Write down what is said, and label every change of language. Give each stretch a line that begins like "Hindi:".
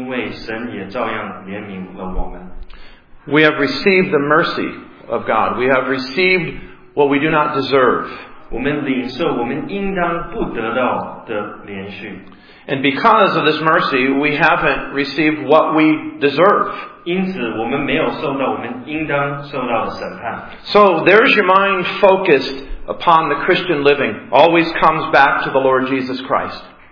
Chinese: 虽然人不配的得到我们的怜悯，我们还是要怜悯他们，因为神也照样怜悯了我们。
English: We have received the mercy of God. We have received what we do not deserve.
Chinese: 我们领受我们应当不得到的连续。
English: And because of this mercy, we haven't received what we deserve.
Chinese: 因此我们没有受到我们应当受到的审判。
English: So there's your mind focused upon the Christian living. Always comes back to the Lord Jesus Christ.